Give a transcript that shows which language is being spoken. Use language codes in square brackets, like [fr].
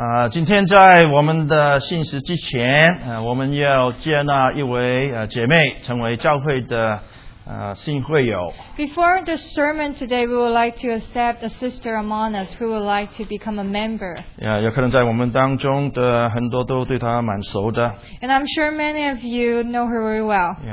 [zh] 今天在我们的信息之前，我们要接纳一位姐妹成为教会的新会友。 [en] Before the sermon today, we would like to accept a sister among us who would like to become a member. [zh] 有可能在我们当中的很多都对她蛮熟的。 [en] And I'm sure many of you know her very well.